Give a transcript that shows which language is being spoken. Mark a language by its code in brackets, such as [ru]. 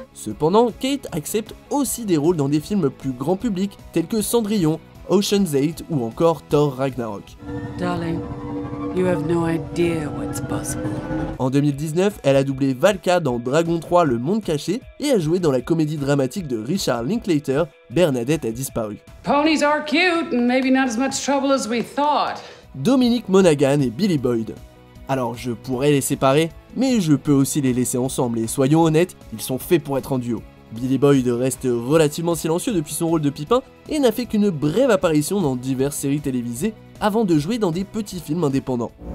[fr] Cependant, Kate accepte aussi des rôles dans des films plus grand public, tels que Cendrillon, Ocean's 8 ou encore Thor Ragnarok. Darling. [en] You have no idea what's possible. [fr] En 2019, elle a doublé Valka dans Dragon 3 Le Monde Caché et a joué dans la comédie dramatique de Richard Linklater, Bernadette a disparu. [en] Ponies are cute and maybe not as much trouble as we thought. [fr] Dominic Monaghan et Billy Boyd. Alors, je pourrais les séparer, mais je peux aussi les laisser ensemble et soyons honnêtes, ils sont faits pour être en duo. Billy Boyd reste relativement silencieux depuis son rôle de Pipin et n'a fait qu'une brève apparition dans diverses séries télévisées avant de jouer dans des petits films indépendants.